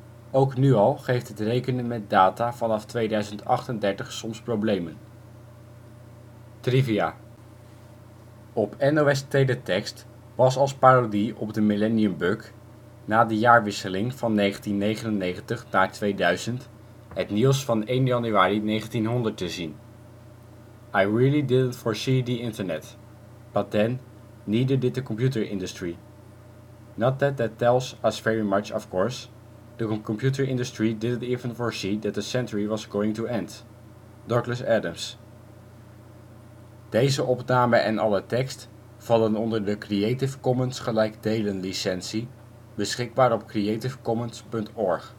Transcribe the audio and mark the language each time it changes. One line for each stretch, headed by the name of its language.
Dutch: Ook nu al geeft het rekenen met data vanaf 2038 soms problemen. Trivia. Op NOS Teletext was als parodie op de Millennium Bug na de jaarwisseling van 1999 naar 2000 het nieuws van 1 januari 1900 te zien.
English: I really didn't foresee the internet, but then neither did the computer industry. Not that that tells us very much, of course. The computer industry didn't even foresee that the century was going to end. Douglas Adams.
Dutch: Deze opname en alle tekst vallen onder de Creative Commons gelijk delen licentie, beschikbaar op creativecommons.org.